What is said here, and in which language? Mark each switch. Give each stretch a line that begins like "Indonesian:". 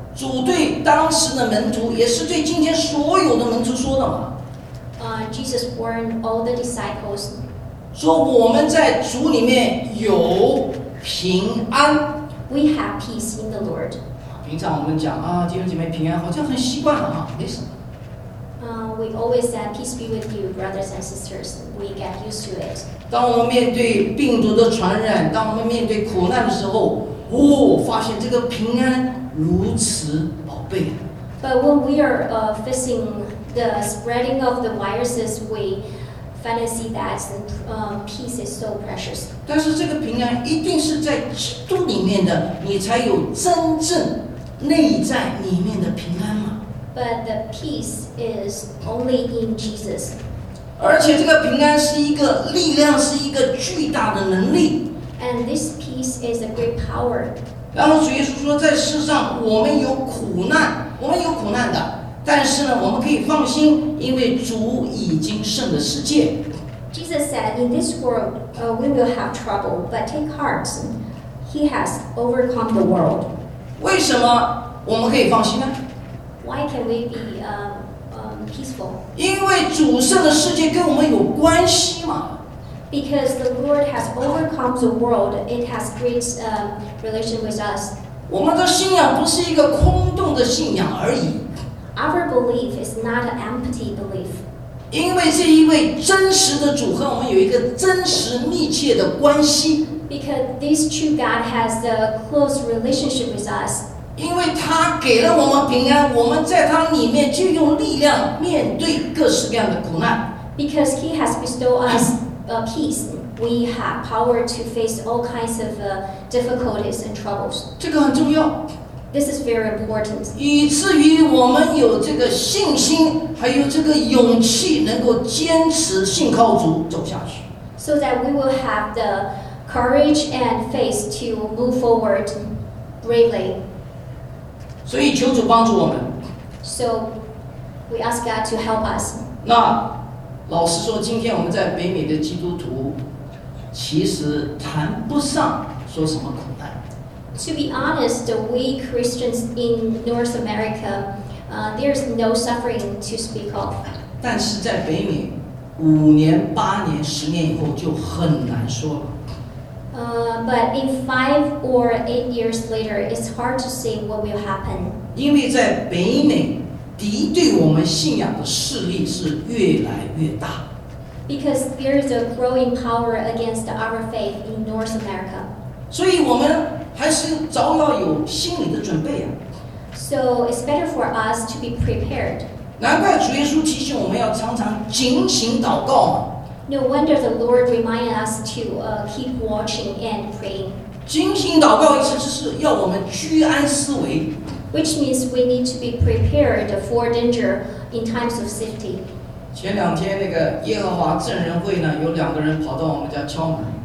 Chinese: 主对当时的门徒，也是对今天所有的门徒说的嘛。
English: Jesus warned all the disciples.
Chinese: 说我们在主里面有平安。
English: We have peace in the Lord.
Chinese: 平常我们讲啊，弟兄姐妹平安，好像很习惯了啊，没什么。
English: We always say peace be with you, brothers and sisters. We get used to it.
Chinese: 当我们面对病毒的传染，当我们面对苦难的时候，哦，发现这个平安如此宝贝。
English: But when we are facing the spreading of the viruses, we finally see that peace is so precious.
Chinese: 但是这个平安一定是在基督里面的，你才有真正内在里面的平安嘛。
English: But the peace is only in Jesus.
Chinese: 而且这个平安是一个力量，是一个巨大的能力。
English: And this peace is a great power.
Chinese: 然后主耶稣说，在世上我们有苦难，我们有苦难的，但是呢，我们可以放心，因为主已经胜了世界。
English: Jesus said, "In this world, we will have trouble, but take heart, He has overcome the world."
Chinese: 为什么我们可以放心呢？
English: Why can we be peaceful?
Chinese: 因为主胜的世界跟我们有关系嘛。
English: Because the Lord has overcome the world, it has great relation with us.
Chinese: 我们的信仰不是一个空洞的信仰而已。
English: Our belief is not an empty belief.
Chinese: 因为这一位真实的主和我们有一个真实密切的关系。
English: Because this true God has a close relationship with us.
Chinese: 因为他给了我们平安，我们在他里面就用力量面对各式各样的苦难。
English: Because he has bestowed us a peace, we have power to face all kinds of difficulties and troubles.
Chinese: 这个很重要。
English: This is very important.
Chinese: 以至于我们有这个信心，还有这个勇气，能够坚持信靠主走下去。
English: So that we will have the courage and faith to move forward bravely.
Chinese: 所以求主帮助我们。
English: So, we ask God to help us.
Chinese: 那老实说，今天我们在北美的基督徒，其实谈不上说什么苦难。
English: To be honest, we Christians in North America, there's no suffering to speak of.
Chinese: 但是在北美，五年、八年、十年以后就很难说了。
English: But in 5 or 8 years later, it's hard to say what will happen.
Chinese: 因为在北美，敌对我们信仰的势力是越来越大。
English: Because there is a growing power against our faith in North America.
Chinese: 所以我们还是早要有心理的准备啊。
English: So it's better for us to be prepared.
Chinese: 难怪主耶稣提醒我们要常常警醒祷告。
English: No wonder the Lord reminded us to keep watching and praying.
Chinese: 警醒祷告意思就是要我们居安思危。
English: Which means we need to be prepared for danger in times of safety.
Chinese: 前两天那个耶和华证人会呢，有两个人跑到我们家敲门。